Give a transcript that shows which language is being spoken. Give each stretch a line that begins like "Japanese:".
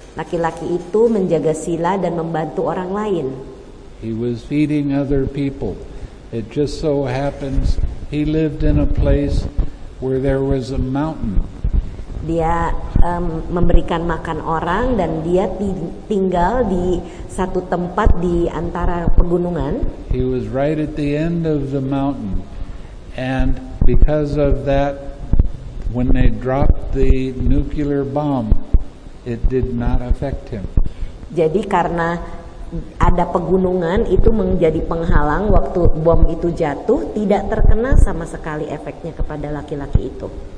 Indonesian: Laki-laki itu menjaga sila dan membantu orang lain.
English: He was feeding other people. It just so happens he lived in a place where there was a mountain.
Indonesian: Dia memberikan makan orang dan dia tinggal di satu tempat di antara pegunungan.
English: He was right at the end of the mountain, and because of that, when they dropped the nuclear bomb, it did not affect him.
Indonesian: Jadi karena ada pegunungan itu menjadi penghalang waktu bom itu jatuh, tidak terkena sama sekali efeknya kepada laki-laki itu.